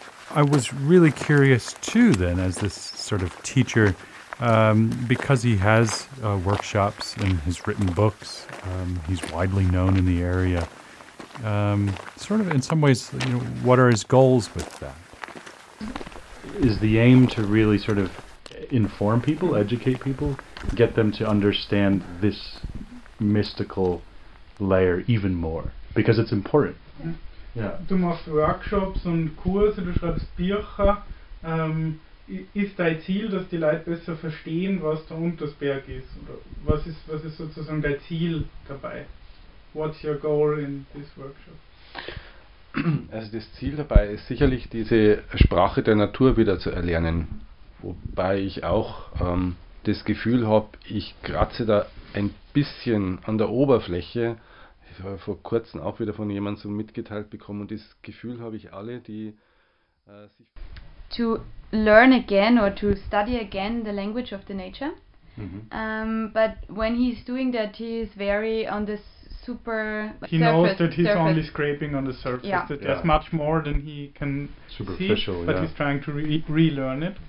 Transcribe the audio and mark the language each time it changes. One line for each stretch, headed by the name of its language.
English: I was really curious too then, as this sort of teacher, because he has workshops in his written books, he's widely known in the area, sort of in some ways, you know, what are his goals with that? Is the aim to really sort of inform people, educate people, get them to understand this mystical layer even more, because it's important.
German: Du machst Workshops und Kurse, du schreibst Bücher. Ist dein Ziel, dass die Leute besser verstehen, was da unter dem Berg ist? Oder was ist sozusagen dein Ziel dabei?
English: What's your goal in this workshop?
German: Also das Ziel dabei ist sicherlich, diese Sprache der Natur wieder zu erlernen. Wobei ich auch das Gefühl habe, ich kratze da ein bisschen an der Oberfläche. Ich habe vor kurzem auch wieder von jemandem so mitgeteilt bekommen, und das Gefühl habe ich alle, die sich...
English: To learn again or to study again the language of the nature. Mm-hmm. But when he's doing that, he's very on the super... He knows that he's only scraping on the surface, there's much more than he can superficial, see, but yeah. he's trying to relearn it.